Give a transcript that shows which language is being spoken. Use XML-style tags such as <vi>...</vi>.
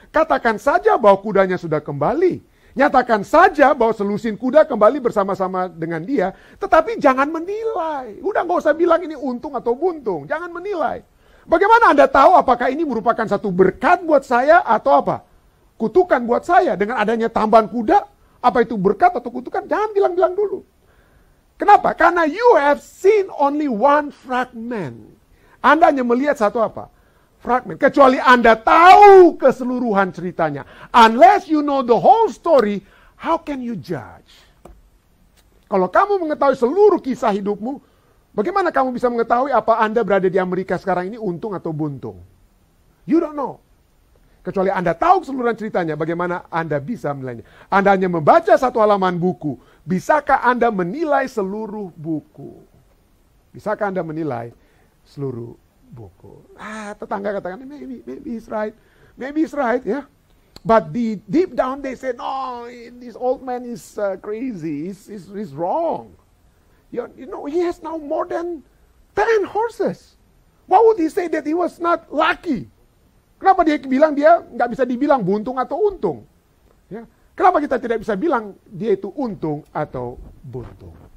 <id>Katakan saja bahwa kudanya sudah kembali. Nyatakan saja bahwa selusin kuda kembali bersama-sama dengan dia. Tetapi jangan menilai. Udah gak usah bilang ini untung atau buntung. Jangan menilai. Bagaimana Anda tahu apakah ini merupakan satu berkat buat saya atau apa? Kutukan buat saya dengan adanya tambahan kuda. Apa itu berkat atau kutukan? Jangan bilang-bilang dulu. Kenapa?</id> <en>Karena you have seen only one fragment.</en> <id>Anda hanya melihat satu apa? Fragment. Kecuali Anda tahu keseluruhan ceritanya.</id> <en>Unless you know the whole story, how can you judge?</en> <id>Kalau kamu mengetahui seluruh kisah hidupmu, bagaimana kamu bisa mengetahui apa Anda berada di Amerika sekarang ini untung atau buntung?</id> <en>You don't know.</en> <id>Kecuali Anda tahu keseluruhan ceritanya, bagaimana Anda bisa menilainya? Anda hanya membaca satu halaman buku. Bisakah Anda menilai seluruh buku? Bisakah Anda menilai seluruh buku?</id> <en>Ah,</en> <id>tetangga katakan,</id> <en>maybe he's right, ya. Yeah. But deep down they say, no, this old man is crazy, he's wrong. You know, he has now more than 10 horses. Why would he say that he was not lucky?</en> <id>Kenapa dia bilang dia nggak bisa dibilang buntung atau untung? Ya. Kenapa kita tidak bisa bilang dia itu untung atau buntung?</id>